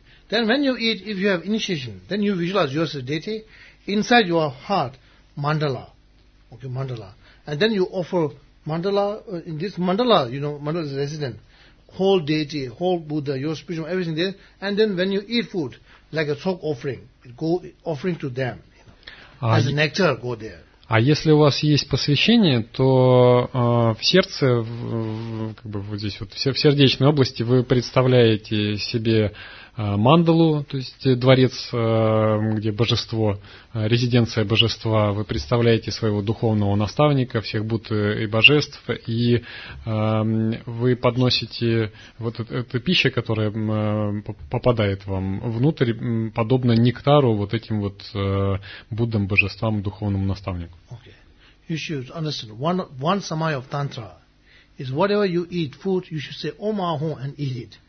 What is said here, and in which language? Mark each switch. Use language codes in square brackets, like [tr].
[en] Then when you eat, if you have initiation, then you visualize yourself deity inside your heart mandala, okay, mandala, and then you offer mandala in this mandala, you know, mandala is resident, whole deity, whole Buddha, your spiritual everything there, and then when you eat food. Like a soap offering, go offering to them, you know, as a nectar go there. [ru] А если у вас есть посвящение, то в сердце, как бы вот здесь вот в сердечной области вы представляете себе мандалу, то есть дворец, где божество, резиденция божества, вы представляете своего духовного наставника, всех Будд и божеств, и вы подносите вот эту пищу, которая попадает вам внутрь, подобно нектару вот этим вот Буддам, божествам, духовному наставнику. [en] Okay. You should understand, one samaya of tantra is whatever you eat food, you should say Om Aho and eat it.